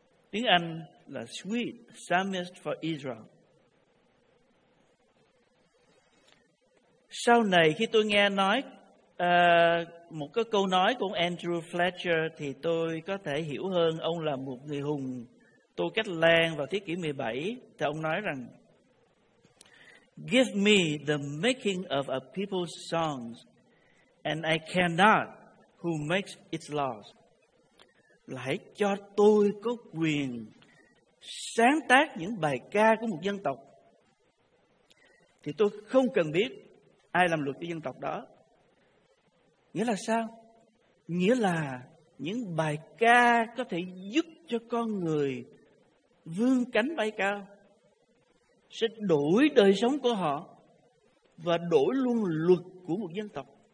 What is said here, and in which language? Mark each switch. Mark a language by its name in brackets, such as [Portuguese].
[Vietnamese] Tiếng Anh là [English] Sweet Psalmist for Israel. [Vietnamese] Sau này khi tôi nghe nói một cái câu nói của ông Andrew Fletcher thì tôi có thể hiểu hơn. Ông là một người hùng tô cách lan vào thế kỷ 17. Thì ông nói rằng: [English] "Give me the making of a people's songs and I cannot who makes its laws." [Vietnamese] Là hãy cho tôi có quyền sáng tác những bài ca của một dân tộc thì tôi không cần biết ai làm luật cho dân tộc đó. Nghĩa là sao? Nghĩa là những bài ca có thể giúp cho con người vươn cánh bay cao, sẽ đổi đời sống của họ và đổi luôn luật của một dân tộc.